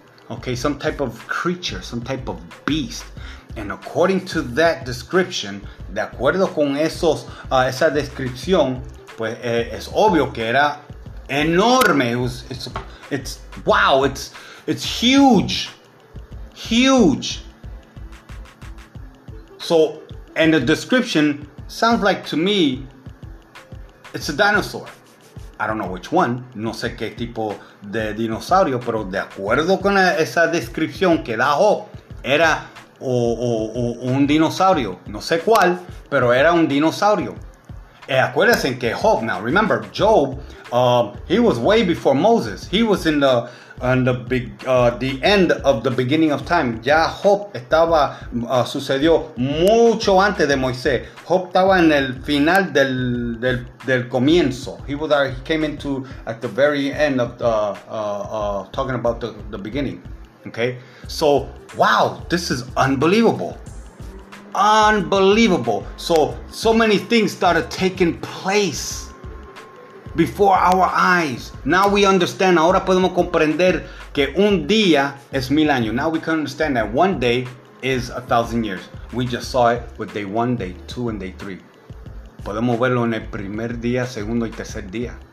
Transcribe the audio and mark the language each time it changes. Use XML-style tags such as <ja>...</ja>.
<en>Okay, some type of creature, some type of beast. And according to that description,</en> <es>de acuerdo con esa descripción, pues es obvio que era enorme.</es> <en>It's huge. Huge. So, and the description sounds like to me, it's a dinosaur. I don't know which one.</en> <es>No sé qué tipo de dinosaurio, pero de acuerdo con esa descripción que da Hope, era o un dinosaurio. No sé cuál, pero era un dinosaurio. Acuérdense que Hope,</es> <en>now remember, Job, he was way before Moses. He was in the the end of the beginning of time.</en> <es>Ya Job estaba, sucedió mucho antes de Moisés. Job estaba en el final del comienzo.</es> <en>He came into at the very end of talking about the beginning. Okay? So, wow, this is unbelievable. Unbelievable. So many things started taking place before our eyes. Now we understand.</en> <es>Ahora podemos comprender que un día es mil años.</es> <en>Now we can understand that one day is 1,000 years. We just saw it with day one, day two, and day three.</en> <es>Podemos verlo en el primer día, segundo y tercer día.</es>